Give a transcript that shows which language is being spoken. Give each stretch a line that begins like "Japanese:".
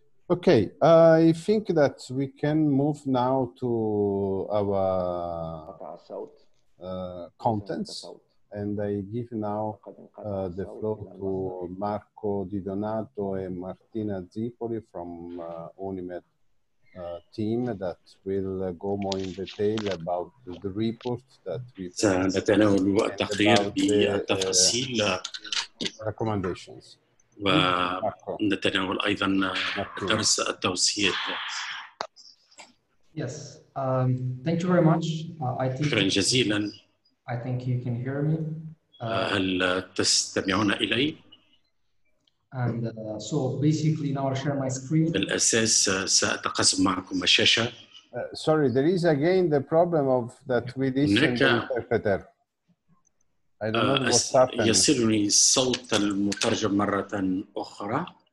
English: Okay, I think that we can move now to our contents, and I give now the floor to Marco Di Donato and Martina Zipoli from Unimed. Team that will go more in detail about the report that we
Arabic: سنتناول التقرير بالتفاصيل
English: recommendations.
Arabic: نتناول أيضا درس التوصية.
English: Yes. Thank you very much. I think.
Arabic: شكرا جزيلا.
English: I think you can hear me.
Arabic: هل تستمعون إلي؟
English: And so basically now I'll share my screen.
Arabic: بالأساس سأتقاسم معكم الشاشة.
English: Sorry, there is again the problem of that we listen to the interpreter. I don't know what's happening.
Arabic: يصلني صوت المترجم مرة أخرى.